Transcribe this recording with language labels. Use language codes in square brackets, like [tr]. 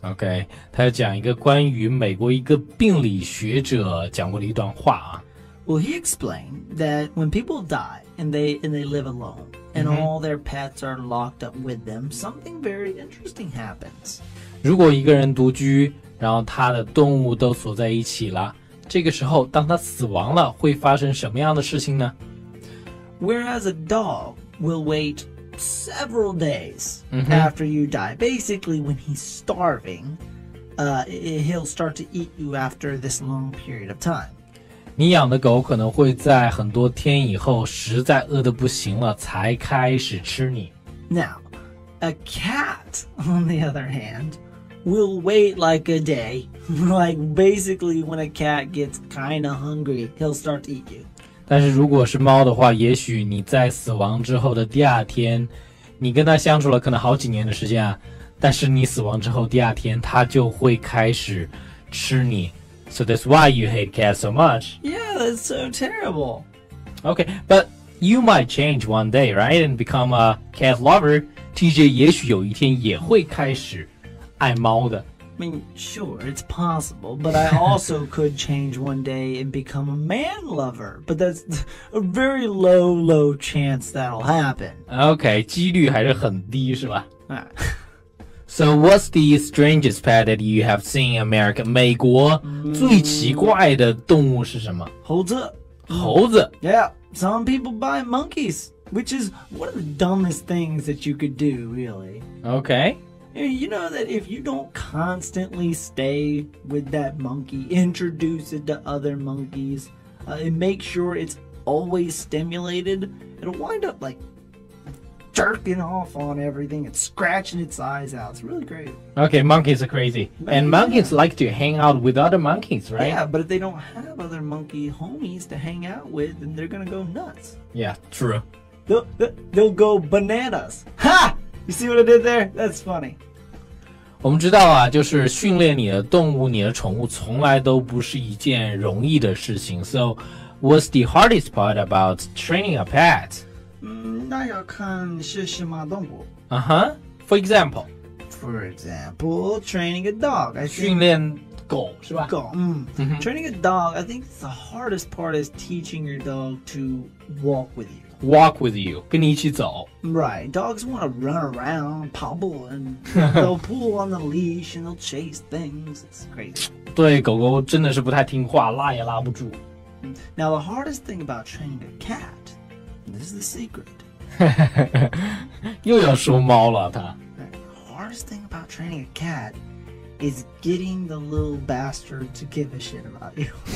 [zh] Okay, 他要讲一个关于美国一个病理学者讲过的一段话啊。 [en] Well, he explained that when people die and they live alone and、mm-hmm. all their pets are locked up with them, something very interesting happens. [zh] 如果一个人独居，然后他的动物都锁在一起了，这个时候当他死亡了，会发生什么样的事情呢？ [en] Whereas a dog will wait several days、mm-hmm. after you die. Basically, when he's starving, he'll start to eat you after this long period of time. [zh] 你养的狗可能会在很多天以后实在饿得不行了才开始吃你。 [en] Now, a cat, on the other hand, will wait like a day. Like, basically, when a cat gets kind of hungry, he'll start to eat you. [zh] 但是如果是猫的话，也许你在死亡之后的第二天，你跟它相处了可能好几年的时间啊，但是你死亡之后第二天，它就会开始吃你。 [en] So that's why you hate cats so much. Yeah, that's so terrible. Okay, but you might change one day, right? And become a cat lover. [zh] TJ 也许有一天也会开始爱猫的。 [en] I mean, sure, it's possible. But I also could change one day and become a man lover. But that's a very low, low chance that'll happen. [zh] Okay, 几率还是很低是吧？ [en] So what's the strangest pet that you have seen in America? [zh] 美国最奇怪的动物是什么？猴子。猴子。 [en] Yeah, some people buy monkeys, which is one of the dumbest things that you could do, really. Okay. You know that if you don't constantly stay with that monkey, introduce it to other monkeys, and make sure it's always stimulated, it'll wind up like... jerking off on everything and scratching its eyes out. It's really great. Okay, monkeys are crazy. And monkeys like to hang out with other monkeys, right? Yeah, but if they don't have other monkey homies to hang out with, then they're gonna go nuts. Yeah, true. They'll go bananas. Ha! You see what I did there? That's funny. [zh] 我们知道啊，就是训练你的动物，你的宠物从来都不是一件容易的事情。 [en] So, what's the hardest part about training a pet? [zh] 那要看是什么动物。 [en] Uh-huh. For example. For example, training a dog. [zh] 训练狗是吧？狗，嗯。Mm-hmm. [en] Training a dog, I think the hardest part is teaching your dog to walk with you. Walk with you, [zh] 跟你一起走。 [en] Right. Dogs want to run around, [zh] 跑步 [en] and they'll pull on the leash and they'll chase things. It's crazy. [zh] 对，狗狗真的是不太听话，拉也拉不住。 [en] Now, the hardest thing about training a cat,This is the secret. [zh] 又要说猫了他。 [en] The hardest thing about training a cat is getting the little bastard to give a shit about you.